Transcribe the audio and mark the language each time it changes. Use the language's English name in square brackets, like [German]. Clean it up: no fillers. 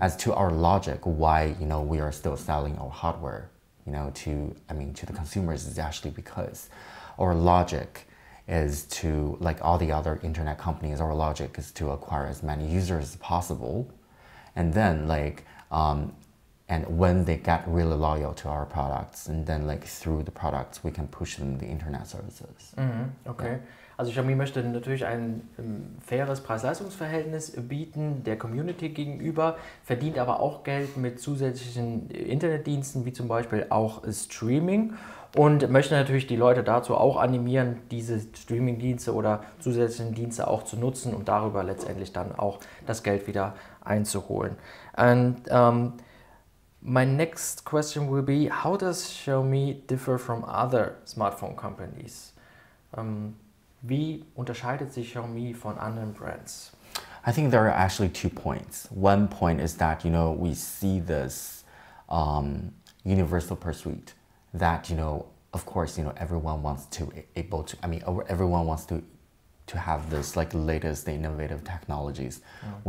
[English] As to our logic, why, you know, we are still selling our hardware, you know, to the consumers is actually because our logic is to, like all the other internet companies, our logic is to acquire as many users as possible. And then like, and when they get really loyal to our products, and then like through the products, we can push them the internet services. Mm-hmm. Okay. Yeah. [German] Also Xiaomi möchte natürlich ein faires Preis-Leistungs-Verhältnis bieten der Community gegenüber, verdient aber auch Geld mit zusätzlichen Internetdiensten, wie zum Beispiel auch Streaming, und möchte natürlich die Leute dazu auch animieren, diese Streaming-Dienste oder zusätzlichen Dienste auch zu nutzen und darüber letztendlich dann auch das Geld wieder einzuholen. [English] And my next question will be, how does Xiaomi differ from other smartphone companies? [German] Wie unterscheidet sich Xiaomi von anderen Brands? [English] I think there are actually two points. One point is that, you know, we see this universal pursuit that, you know, of course, you know, everyone wants to able to, I mean, everyone wants to have this like latest innovative technologies mm.